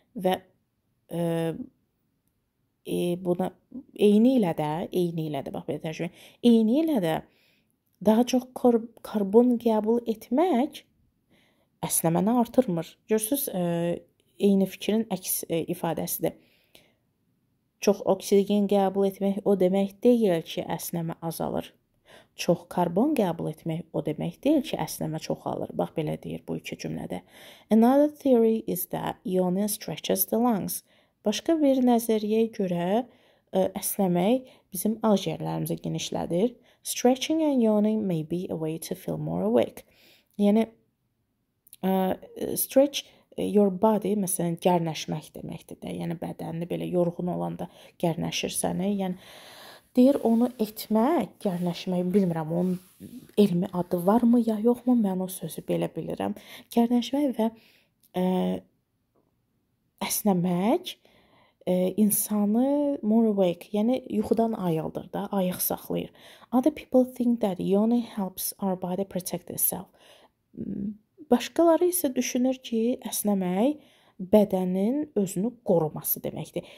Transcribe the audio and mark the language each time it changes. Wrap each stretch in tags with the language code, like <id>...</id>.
<az>Və buna eyni ilə də, bax belə tərcümə, eyni ilə də daha çox karbon qəbul etmək əsnəməni artırmır. Görürsünüz, eyni fikrin əks ifadəsidir. Çox oksigen qəbul etmək o demək deyil ki, əsnəmə azalır. Çox karbon qəbul etmək o demək deyil ki, əsnəmə çoxalır. Bax, belə deyir bu iki cümlədə.</az> <en>Another theory is that yawning stretches the lungs.</en> <az>Başqa bir nəzəriyyəyə görə əsnəmək bizim ağciyərlərimizi genişlədir.</az> <en>Stretching and yawning may be a way to feel more awake.</en> <az>Yəni,</az> <en>stretch your body,</en> <az>məsələn, gərnəşmək deməkdir də. Yəni, bədənini belə yorğun olanda gərnəşirsən. Yəni, deyir, onu etmək, gərnəşmək, bilmirəm, onun elmi adı var mı, ya yox mu, mən o sözü belə bilirəm. Gərnəşmək və əsnəmək insanı</az> <en>more awake,</en> <az>yəni yuxudan ayıldır da, ayıq saxlayır.</az> <en>Other people think that yawning helps our body protect itself.</en> <az>Başqaları isə düşünür ki, əsnəmək bədənin özünü qoruması deməkdir.</az>